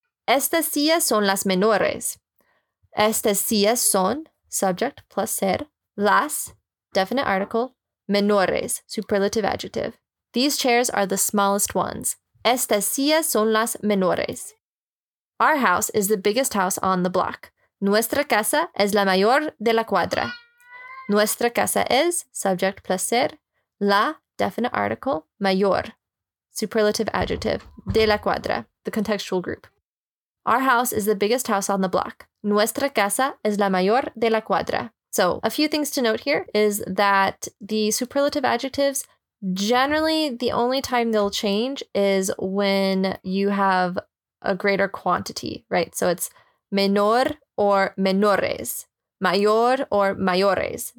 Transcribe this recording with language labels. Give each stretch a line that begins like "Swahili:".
Spanish: Estas sillas son las menores. Estas sillas son,
English: subject plus ser,
Spanish: las,
English: definite article,
Spanish: menores,
English: superlative adjective. These chairs are the smallest ones.
Spanish: Estas sillas son las menores.
English: Our house is the biggest house on the block.
Spanish: Nuestra casa es la mayor de la cuadra. Nuestra casa es,
English: subject plus ser, la, definite article,
Spanish: mayor,
English: superlative adjective,
Spanish: de la cuadra,
English: the contextual group. Our house is the biggest house on the block.
Spanish: Nuestra casa es la mayor de la cuadra.
English: So, a few things to note here is that the superlative adjectives, generally, the only time they'll change is when you have a greater quantity, right? So it's menor or menores, mayor or mayores.